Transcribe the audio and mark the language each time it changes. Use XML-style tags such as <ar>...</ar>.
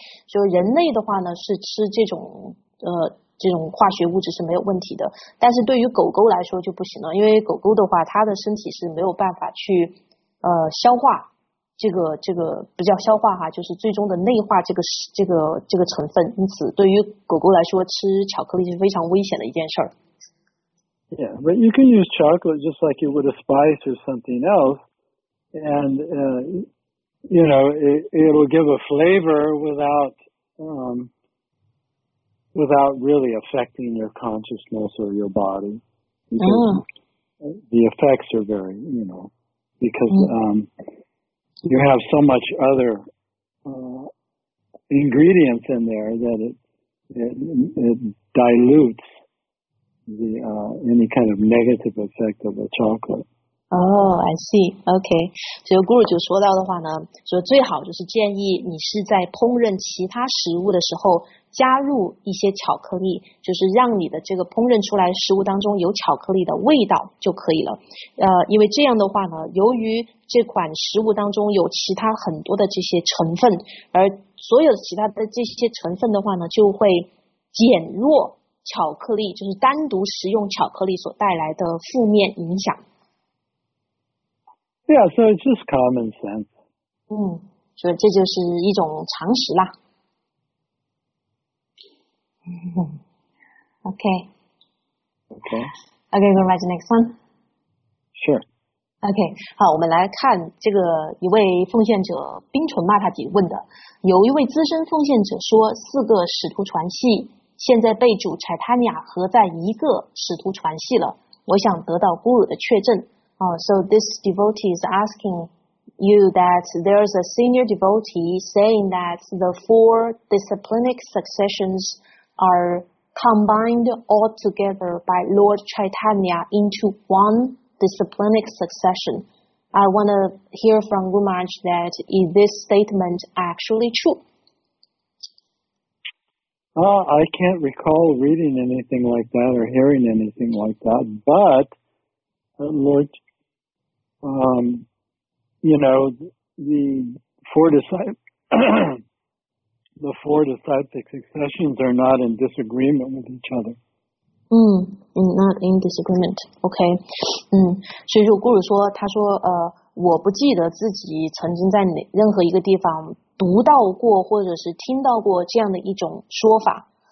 <zh>所以人类的话呢，是吃这种化学物质是没有问题的，但是对于狗狗来说就不行了，因为狗狗的话它的身体是没有办法去消化这个不叫消化哈，就是最终的内化这个成分，因此对于狗狗来说吃巧克力是非常危险的一件事。</zh> <en>Yeah, but you can use chocolate just like you would a spice or something else, and it'll give a flavor without without really affecting your consciousness or your body. Because the effects are very, you know, because you have so much other ingredients in there that it dilutes the any kind of negative effect of the chocolate. Oh, I see.</en> <zh>OK, 所以 Guru 就说到的话呢，说最好就是建议你是在烹饪其他食物的时候加入一些巧克力，就是让你的这个烹饪出来食物当中有巧克力的味道就可以了。因为这样的话呢，由于这款食物当中有其他很多的这些成分，而所有其他的这些成分的话呢，就会减弱巧克力，就是单独食用巧克力所带来的负面影响。</zh> <en>Yeah, so it's just common sense.</en> <zh>所以这就是一种常识啦。</zh> <en>Okay. Okay. Okay, go right to the next one. Sure.</en> <zh>Okay, 好，我们来看这个一位奉献者冰纯骂他姐问的。有一位资深奉献者说，四个使徒传系现在被主柴塔尼亚合在一个使徒传系了。我想得到孤儿的确证。</zh> <en>So this devotee is asking you that there's a senior devotee saying that the four disciplinic successions are combined all together by Lord Chaitanya into one disciplinic succession. I want to hear from Guru Maharaj that is this statement actually true? I can't recall reading anything like that or hearing anything like that, but Lord you know, the four the four disciplic successions are not in disagreement with each other. Not in disagreement. Okay.</en> <zh>所以说Guru说，他说我不记得自己曾经在任何一个地方读到过或者是听到过这样的一种说法。</zh>